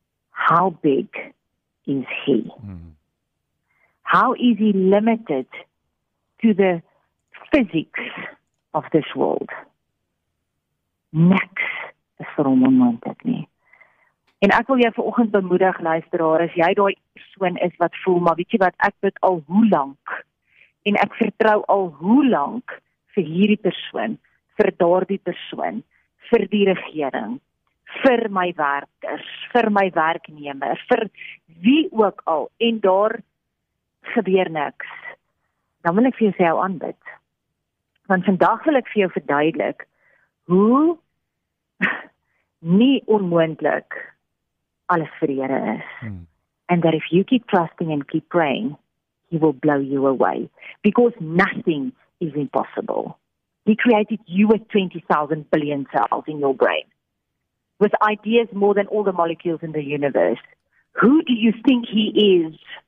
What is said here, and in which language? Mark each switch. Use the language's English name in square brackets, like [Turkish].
[English] How big is He? Mm-hmm. How is he limited to the physics of this world? [Afrikaans] Niks is vir hom onmoontlik nie. En ek wil jou vanoggend bemoedig, luisteraar, as jy daai persoon is wat voel, maar weet jy wat, ek bid al hoe lank, en ek vertrou al hoe lank vir hierdie persoon, vir daardie persoon, vir die regering, vir my werkers, vir my werknemer, vir wie ook al, en daar gebeur niks, dan wil ek vir jou sê jou aanbid. Want vandag wil ek vir jou verduidelik hoe nie onmoontlik alles vir die Here is. [English] And that if you keep trusting and keep praying, He will blow you away. Because nothing is impossible. He created you with 20,000 billion cells in your brain. With ideas more than all the molecules in the universe. Who do you think He is?